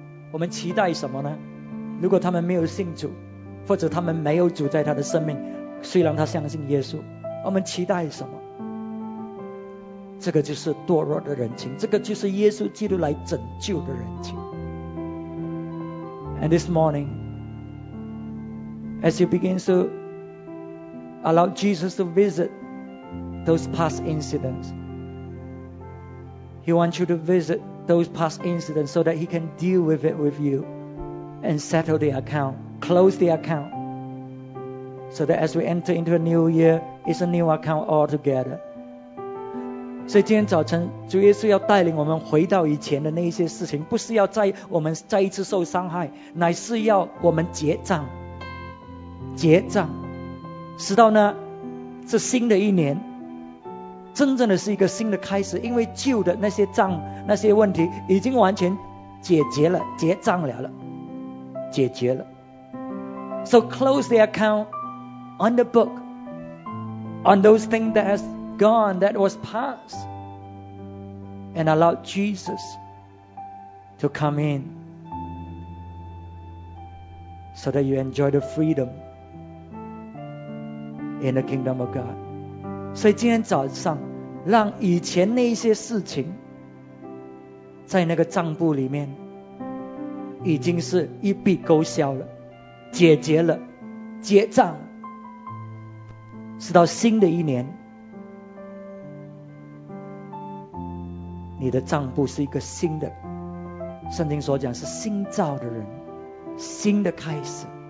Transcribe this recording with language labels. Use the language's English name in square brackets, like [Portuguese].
[Chinese] 我们期待什么呢？如果他们没有信主，或者他们没有主在他的生命，虽然他相信耶稣，我们期待什么？这个就是堕落的人情，这个就是耶稣基督来拯救的人情。 [English] And this morning, as you begin to allow Jesus to visit those past incidents, He wants you to visitThose past incidents, so that he can deal with it with you and settle the account, close the account, so that as we enter into a new year, it's a new account altogether. [Chinese] 所以今天早晨，主耶稣要带领我们回到以前的那些事情，不是要再我们再一次受伤害，乃是要我们结账，结账，直到呢，这新的一年。真正的是一个新的开始，因为旧的那些账、那些问题已经完全解决了，结账了了，解决了。 [English] So close the account on the book, on those things that has gone, that was past, and allow Jesus to come in, so that you enjoy the freedom in the kingdom of God. [Chinese] 所以今天早上让以前那些事情在那个账簿里面已经是一笔勾销了，解决了，结账，直到新的一年你的账簿是一个新的，圣经所讲是新造的人，新的开始。